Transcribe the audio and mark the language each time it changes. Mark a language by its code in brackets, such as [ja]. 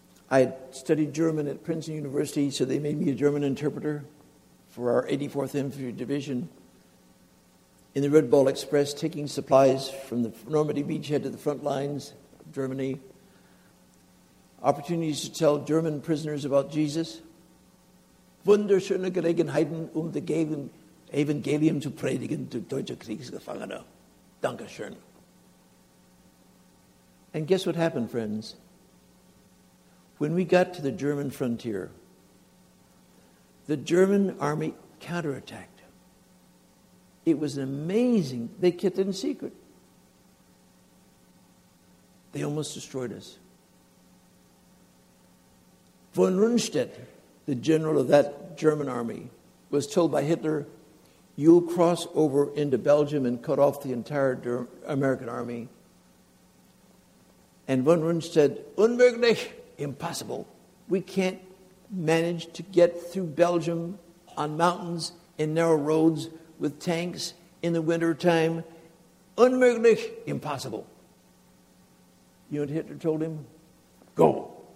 [en] I had studied German at Princeton University, so they made me a German interpreter for our 84th Infantry Division. In the Red Bull Express, taking supplies from the Normandy beachhead to the front lines of Germany. Opportunities to tell German prisoners about Jesus. [de] Wunderschöne Gelegenheiten, die Evangelium zu predigen, zu deutsche Kriegsgefangene. Dankeschön. [en] And guess what happened, friends? When we got to the German frontier, the German army counterattacked. It was amazing. They kept it in secret. They almost destroyed us. Von Rundstedt, the general of that German army, was told by Hitler, you'll cross over into Belgium and cut off the entire American army. And von Rundstedt, unmöglich, impossible. We can't manage to get through Belgium on mountains and narrow roads with tanks in the winter time. Unmöglich, impossible. You know what Hitler told him? Go.